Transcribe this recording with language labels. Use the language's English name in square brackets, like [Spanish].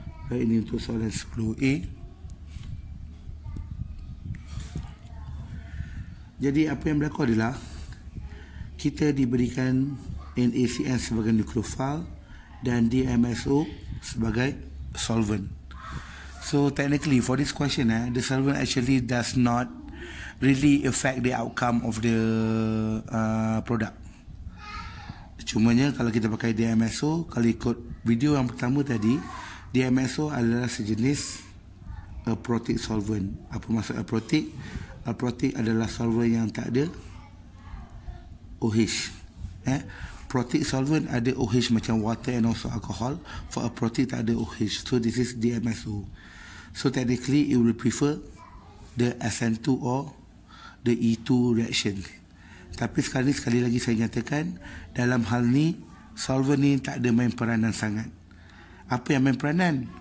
[Malay] Alright, ini untuk soalan 10A. Jadi apa yang berlaku adalah kita diberikan NaCN sebagai nukleofil dan DMSO sebagai solvent. [English] So technically for this question, the solvent actually does not really affect the outcome of the product. [Malay] Cumanya kalau kita pakai DMSO, kalau ikut video yang pertama tadi, DMSO adalah sejenis aprotic solvent. Apa maksud aprotic? Aprotic adalah solvent yang tak ada OH. Aprotic solvent ada OH macam [English] water and also alcohol. For aprotic [Malay] tak ada OH. [English] So this is DMSO. So technically it will prefer the SN2 or the E2 reaction. [Malay] Tapi sekali lagi saya nyatakan, dalam hal ni solvent ni tak ada main peranan sangat. Apa yang main peranan?